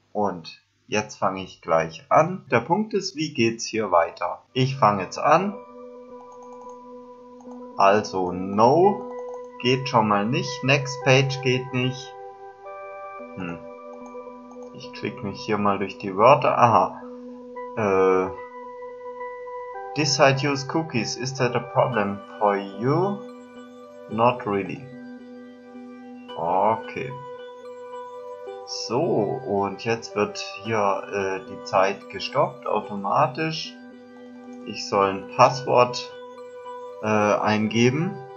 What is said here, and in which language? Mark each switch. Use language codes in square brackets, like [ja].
[de] Und jetzt fange ich gleich an. Der Punkt ist, wie geht's hier weiter? Ich fange jetzt an. Also no geht schon mal nicht, next page geht nicht. Ich klicke mich hier mal durch die Wörter. [en] This site use cookies. Is that a problem for you? Not really. Okay. [de] So, und jetzt wird hier die Zeit gestoppt automatisch. Ich soll ein Passwort eingeben.